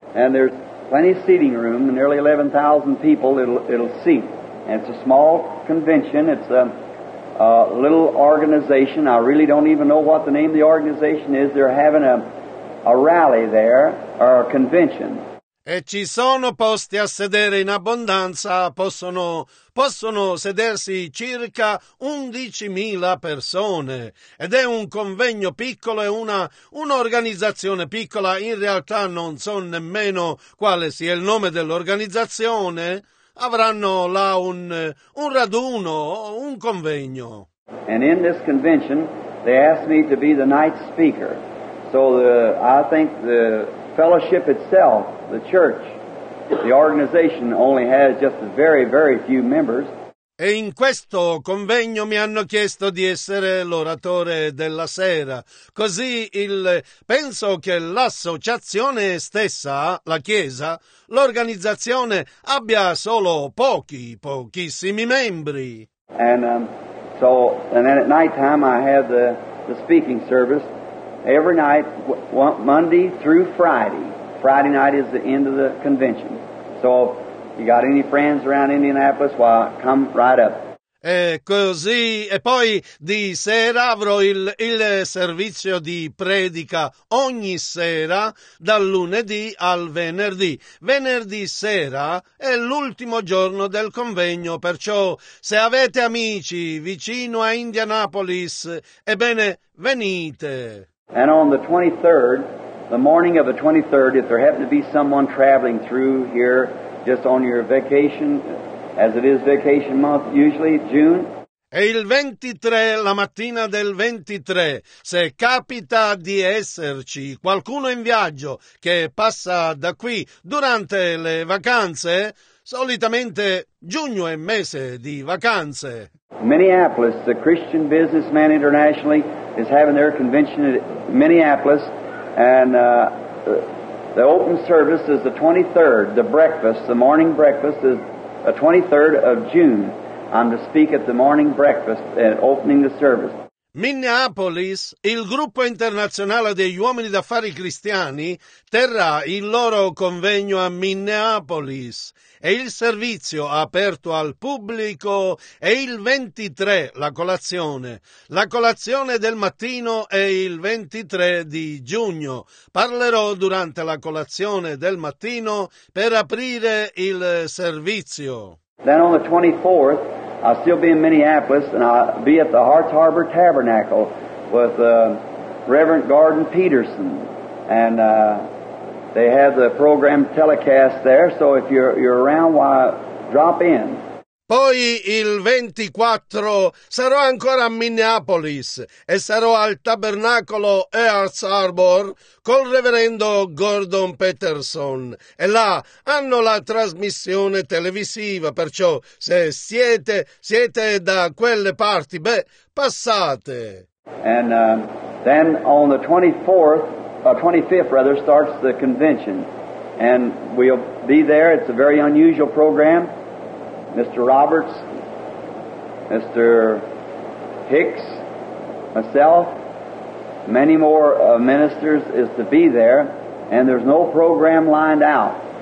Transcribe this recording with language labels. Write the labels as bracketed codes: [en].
[en] And there's plenty of seating room, nearly 11,000 people it'll seat. And it's a small convention, it's a little organization. I really don't even know what the name of the organization is. They're having a rally there, or a convention. [it] E ci sono posti a sedere in abbondanza. Possono sedersi circa 11,000 persone. Ed è un convegno piccolo e un'organizzazione piccola. In realtà non so nemmeno quale sia il nome dell'organizzazione. Avranno là un raduno, un convegno. [en] And in this convention, they asked me to be the night speaker. So I think the fellowship itself, the church, the organization only has just a very, very few members. [it] E in questo convegno mi hanno chiesto di essere l'oratore della sera. Così penso che l'associazione stessa, la Chiesa, l'organizzazione abbia solo pochissimi membri. [en] And So, and then at night time I have the speaking service every night, Monday through Friday. Friday night is the end of the convention. So, if you got any friends around Indianapolis, well, come right up. [it] E così, e poi di sera avrò il servizio di predica ogni sera dal lunedì al venerdì. Venerdì sera è l'ultimo giorno del convegno, perciò se avete amici vicino a Indianapolis, ebbene venite. [en] And on the 23rd, the morning of the 23rd, if there happened to be someone traveling through here just on your vacation, as it is vacation month, usually June. [it] E il 23, la mattina del 23, se capita di esserci qualcuno in viaggio che passa da qui durante le vacanze, solitamente giugno è mese di vacanze. [en] Minneapolis, the Christian businessman internationally, is having their convention in Minneapolis, and the open service is the 23rd, the breakfast, the morning breakfast is the 23rd of June. I'm to speak at the morning breakfast and opening the service. [it] Minneapolis, il gruppo internazionale degli uomini d'affari cristiani, terrà il loro convegno a Minneapolis e il servizio aperto al pubblico è il 23, la colazione. La colazione del mattino è il 23 di giugno. Parlerò durante la colazione del mattino per aprire il servizio. [en] Then on the 24th, I'll still be in Minneapolis, and I'll be at the Hearts Harbor Tabernacle with Reverend Gordon Peterson. And they have the program telecast there, so if you're around, why, drop in. [it] Poi il 24 sarò ancora a Minneapolis e sarò al Tabernacolo Hearts Harbor col Reverendo Gordon Peterson. E là hanno la trasmissione televisiva, perciò se siete da quelle parti, beh, passate. [en] And then on the 25th starts the convention. And we'll be there. It's a very unusual program. Mr. Roberts, Mr. Hicks, myself, many more ministers is to be there, and there's no program lined out.